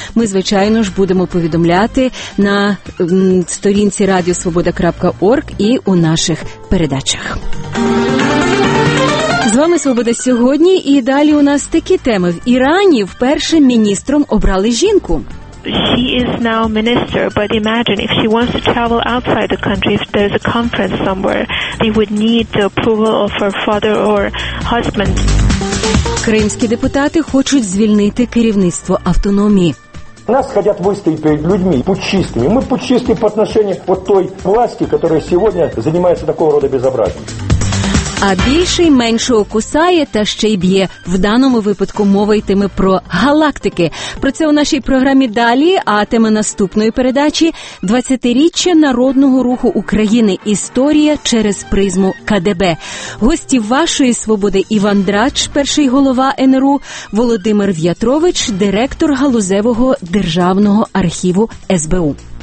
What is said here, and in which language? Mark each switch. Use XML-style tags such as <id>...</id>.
<uk>Ми, звичайно ж, будемо повідомляти на сторінці radiosvoboda.org і у наших передачах. З вами Свобода сьогодні, і далі у нас такі теми. В Ірані першим міністром обрали жінку.</uk> <en>She is now minister, but imagine if she wants to travel outside the country, if there's a conference somewhere, they would need the approval of her father or husband.</en> <uk>Кримські депутати хочуть звільнити керівництво автономії.</uk> <ru>Нас хотят выставить перед людьми путчистыми. Мы путчисты по отношению к вот той власти, которая сегодня занимается такого рода безобразием.</ru> <uk>А більший меншого кусає та ще й б'є. В даному випадку мова йтиме про галактики. Про це у нашій програмі далі, а тема наступної передачі – 20-річчя Народного руху України. Історія через призму КДБ. Гості вашої свободи – Іван Драч, перший голова НРУ, Володимир В'ятрович, директор галузевого державного архіву СБУ.</uk>